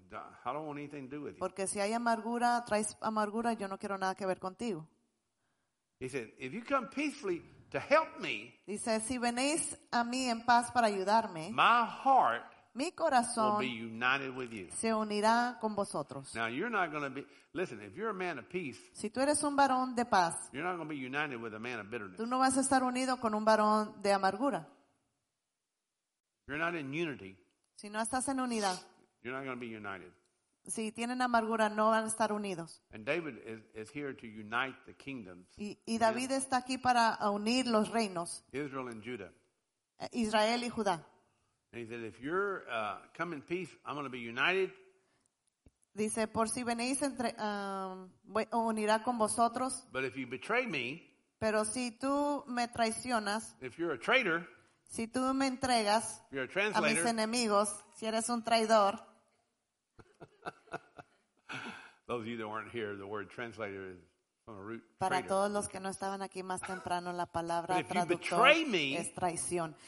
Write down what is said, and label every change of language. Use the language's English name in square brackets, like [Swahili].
[English] I don't want anything to do with you. [Spanish] Porque si hay amargura, traes amargura, yo no quiero nada que ver contigo. [English] He said, "If you come peacefully to help me." [Spanish] Dice, si venís a mí en paz para ayudarme. [English] My heart. [Spanish] Mi corazón. [English] Will be united with you. [Spanish] Se unirá con vosotros. [English] Now you're not going to be. Listen, if you're a man of peace. [Spanish] Si tú eres un varón de paz. [English] You're not going to be united with a man of bitterness. [Spanish] Tú no vas a estar unido con un varón de amargura. [English] You're not in unity. [Spanish] Si no estás en unidad. [English] You're not going to be united. [Spanish] Si tienen amargura, no van a estar unidos. [English] And David is here to unite the kingdoms. [Spanish] Y David está aquí para unir los reinos. [English] Israel and Judah. [Spanish] Israel y Judá. [English] And he said, "If you're come in peace, I'm going to be united." [Spanish] Dice, por si venís entre unirá con vosotros. [English] But if you betray me. [Spanish] Pero si tú me traicionas. [English] If you're a traitor. [Spanish] Si tú me entregas a mis enemigos, si eres un traidor. [English] Those of you that weren't here, the word translator is [Spanish] Para todos los que no estaban aquí más temprano, la palabra traductor es traición.